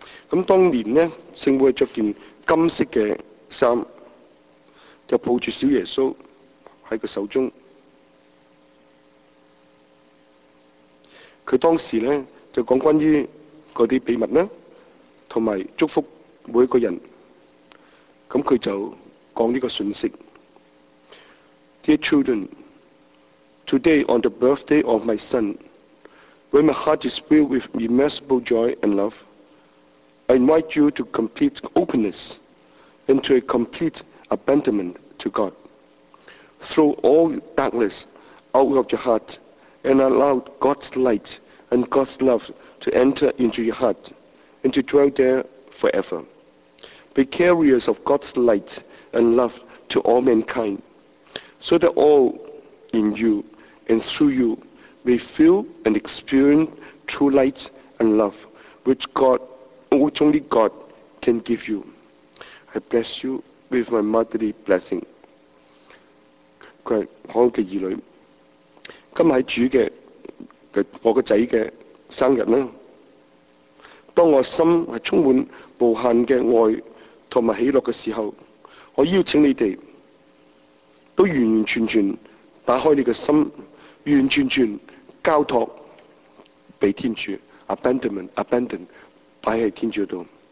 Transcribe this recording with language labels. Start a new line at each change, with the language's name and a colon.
Chinese: 那当年呢，圣母穿件金色的衣服，就抱着小耶稣在她手中。她当时呢，就讲关于那些秘密呢，还有祝福每一个人。那她就讲这个讯息。
English: Dear children, today on the birthday of my son, when my heart is filled with immeasurable joy and love, I invite you to complete openness and to a complete abandonment to God. Throw all darkness out of your heart and allow God's light and God's love to enter into your heart and to dwell there forever. Be carriers of God's light and love to all mankind, so that all in you and through you may feel and experience true light and love, which God, only God, can give you. I bless you with my motherly blessing.
Chinese: 他是可愛的兒女，今天是主的我的兒子的生日，當我心是充滿無限的愛和喜樂的時候，我邀請你們都完完全全打開你的心，完全全交託給天主， abandon 放在天主那裡，